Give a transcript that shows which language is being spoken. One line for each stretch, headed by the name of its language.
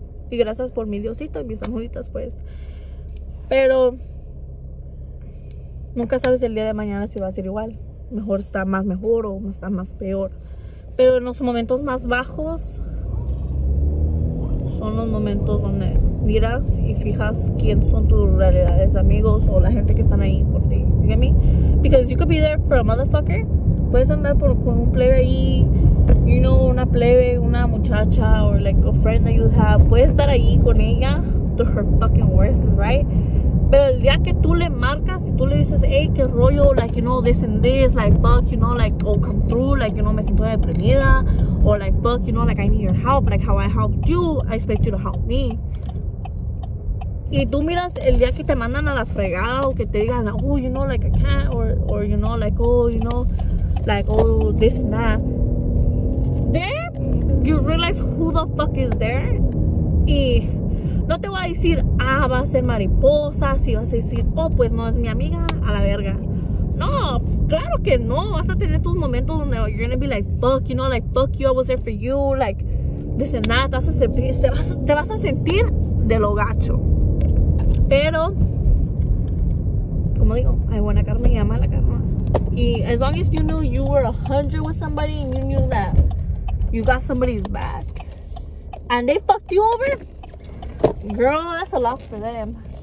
Spanish: Y gracias por mi Diosito y mis amuditas, pues. Pero nunca sabes el día de mañana si va a ser igual. Mejor está más mejor o está más peor. Pero en los momentos más bajos son los momentos donde miras y fijas quién son tus realidades, amigos o la gente que están ahí por ti.
English: You get me? Because you could be there for a motherfucker.
Spanish: Puedes andar con un plebe ahí, you know, una plebe, una muchacha,
English: or like a friend that you have.
Spanish: Puedes estar ahí con ella
English: to her fucking worst, right?
Spanish: Pero el día que tú le marcas y tú le dices, hey, qué rollo,
English: like, you know, this and this, like, fuck, you know, like, oh, come through, like, you know,
Spanish: me siento deprimida,
English: or like, fuck, you know, like, I need your help, like, how I helped you, I expect you to help me.
Spanish: Y tú miras el día que te mandan a la fregada o que te digan,
English: oh, you know, like, I can't, or you know, like, oh, you know, like, oh, this and that. Then you realize who the fuck is there. Y
Spanish: No te voy a decir, ah, va a ser mariposa. Si vas a decir, oh, pues no es mi amiga, a la verga. No, claro que no. Vas a tener tus momentos donde
English: you're going to be like, fuck, you know, like, fuck you, I was there for you. Like, this and that.
Spanish: Te vas a sentir de lo gacho. Pero, como digo, hay buena karma y mala karma.
English: Y as long as you knew you were 100 with somebody and you knew that you got somebody's back and they fucked you over, girl, that's a loss for them.